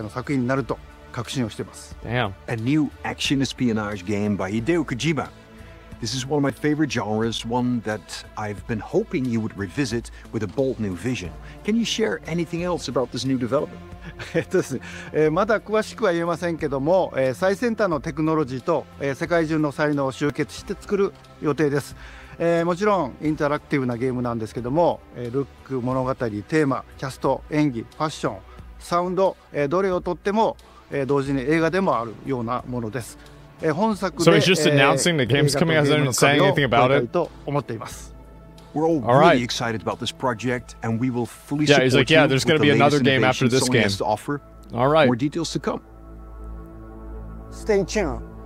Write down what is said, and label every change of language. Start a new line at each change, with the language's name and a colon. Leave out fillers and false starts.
Japanese: ソニーさんとはほぼ30年にわたりエスピオナージュものを一緒に育ててきたという強い経験もあります。またソニーさんはゲームだけではなくその他も映画もされています。間違いなく強力なコラボレーションになるはずです。さらに2年後には僕のゲーム制作人生の40周年を迎えるこのタイトルが僕の集大成の作品になると確信をしています。A
English: new action espionage game by Hideo Kojima. This is one of my favorite genres, one that I've been hoping you would revisit with a bold new vision. Can you share anything else about this new development?
Japanese: まだ詳しくは言えませんけども、最先端のテクノロジーと世界中の才能を集結して作る予定です。もちろんインタラクティブなゲームなんですけども、ルック、物語、テーマ、キャスト、演技、ファッション、サウンド、どれをとっても同時に映画でもあるようなものです。
English: So he's just announcing the game's coming as I'm saying anything about it. We're all really excited about this project, and we will fully support you. Yeah, he's like, yeah, there's going to be another game after this game. Offer. All right. More details to come. Stay tuned.